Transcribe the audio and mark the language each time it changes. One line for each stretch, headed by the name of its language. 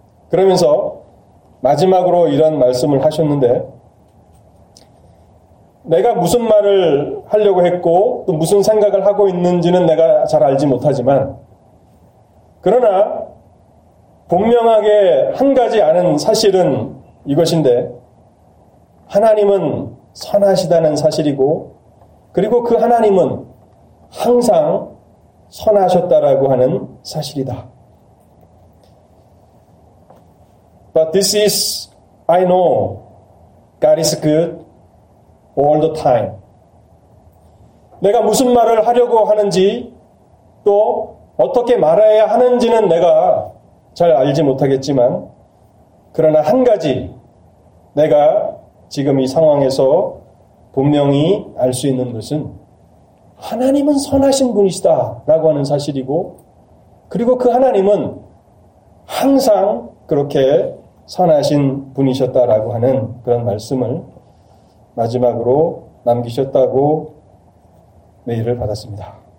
Korean: 그러면서 마지막으로 이런 말씀을 하셨는데, 내가 무슨 말을 하려고 했고 또 무슨 생각을 하고 있는지는 내가 잘 알지 못하지만, 그러나 분명하게 한 가지 아는 사실은 이것인데, 하나님은 선하시다는 사실이고, 그리고 그 하나님은 항상 선하셨다라고 하는 사실이다.
English: But this is, I know, God is good all the time.
Korean: 내가 무슨 말을 하려고 하는지 또 어떻게 말해야 하는지는 내가 잘 알지 못하겠지만, 그러나 한 가지 내가 지금 이 상황에서 분명히 알 수 있는 것은 하나님은 선하신 분이시다라고 하는 사실이고, 그리고 그 하나님은 항상 그렇게 선하신 분이셨다라고 하는 그런 말씀을 마지막으로 남기셨다고 메일을 받았습니다.